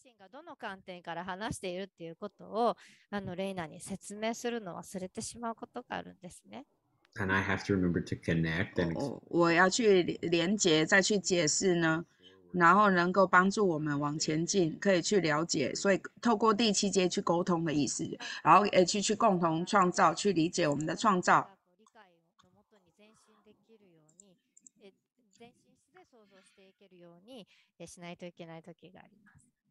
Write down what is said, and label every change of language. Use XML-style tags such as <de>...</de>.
<ja>どの観点から話しているっていうことをレイナに説明するのを忘れてしまうことがあるんですね。</ja> <en>And I have to remember to connect and</en> <zh>我要去连接再去解释呢，然后能够帮助我们往前进，可以去了解，所以透过第七阶去沟通的意思，然后去共同创造，去理解我们的创造。</zh> <ja>理解を元に前進できるようにように、前進して想像していけるようにしないといけない時があります。</ja>